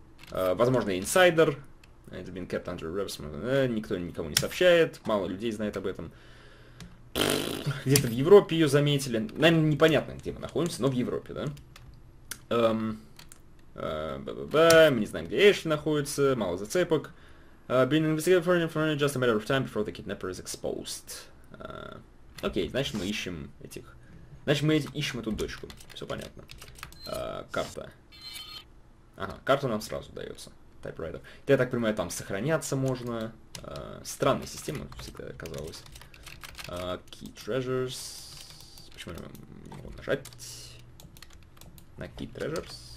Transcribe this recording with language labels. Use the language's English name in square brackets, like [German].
[Russian] Возможно, инсайдер. [English] It's been kept under wraps. [Russian] Никто никому не сообщает. Мало людей знает об этом. Где-то в Европе ее заметили. Наверное, непонятно, где мы находимся, но в Европе, да? Мы не знаем, где Эшли находится. Мало зацепок. [English] Been investigated for just a matter of time before the kidnapper is exposed. [Russian] Окей, значит мы ищем этих. Значит, мы ищем эту дочку. Все понятно. Карта. Ага, карта нам сразу дается. [English] Typewriter. [Russian] Я так понимаю, там сохраняться можно. Странная система всегда казалась. Key treasures. Почему я не могу нажать? На key treasures.